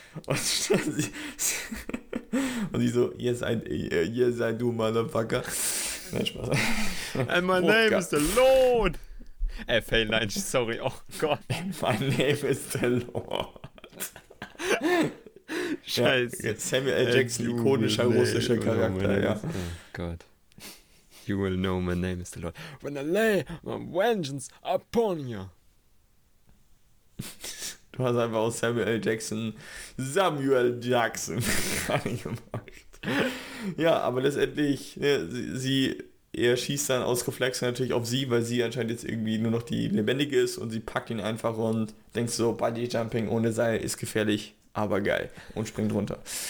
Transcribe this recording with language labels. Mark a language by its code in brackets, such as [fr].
[de] Und sie so, [en] yes I do, motherfucker. [de] Nein, Spaß. [en] And my name is the Lord. Fail Line, sorry, [de] oh Gott. [en] My name is the Lord. [de] Scheiße. Samuel L. Jackson, ikonischer russischer Charakter, ja. Oh Gott. [en] You will know my name is the Lord. When I lay my vengeance upon you. [de] Du hast einfach aus Samuel Jackson reingemacht. Ja, aber letztendlich, ja, er schießt dann aus Reflex natürlich auf sie, weil sie anscheinend jetzt irgendwie nur noch die Lebendige ist und sie packt ihn einfach und denkt so, Body Jumping ohne Seil ist gefährlich, aber geil. Und springt runter.